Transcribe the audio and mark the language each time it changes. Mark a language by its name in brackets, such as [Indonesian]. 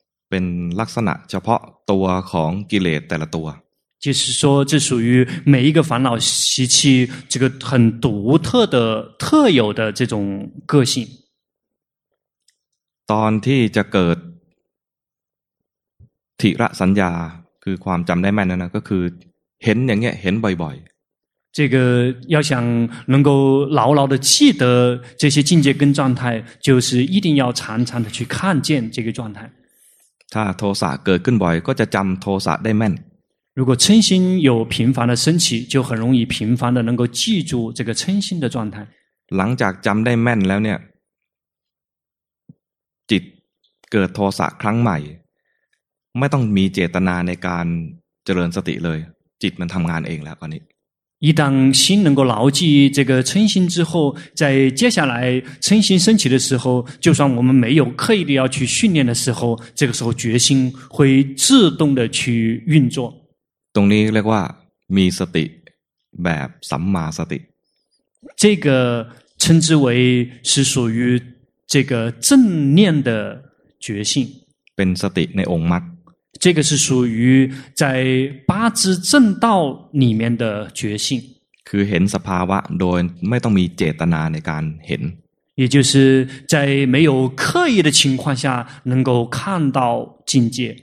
[Thai] เป็นลักษณะเฉพาะตัวของกิเลสแต่ละตัว [Chinese] 就是说这属于每一个烦恼习气这个很独特的特有的这种个性 [Thai] ตอนที่จะเกิดทิระสัญญาคือความจำได้แม่นนะนะก็คือเห็นอย่างเงี้ยเห็นบ่อย [Chinese] ๆ这个要想能够牢牢的记得这些境界跟状态就是一定要常常的去看见这个状态 [Thai] ถ้าโทสะเกิดขึ้นบ่อยก็จะจำโทสะได้แม่น [Chinese] 如果嗔心有频繁的升起就很容易频繁的能够记住这个嗔心的状态 [Thai] หลังจากจำได้แม่นแล้วเนี่ยจิตเกิดโทสะครั้งใหม่ไม่ต้องมีเจตนาในการเจริญสติเลยจิตมันทำงานเองแล้วตอนนี้ [Chinese] 一旦心能够牢记这个嗔心之后在接下来嗔心升起的时候就算我们没有刻意的要去训练的时候这个时候决心会自动的去运作 [Thai] ตรงนี้เรียกว่ามีสติแบบสัมมาสติ [Chinese] 这个称之为是属于这个正念的觉性 [Thai] เป็นสติในองค์มรรค [Chinese] 这个是属于在八支正道里面的觉性 [Thai] คือเห็นสภาวะโดยไม่ต้องมีเจตนาในการเห็น [Chinese] 也就是在没有刻意的情况下能够看到境界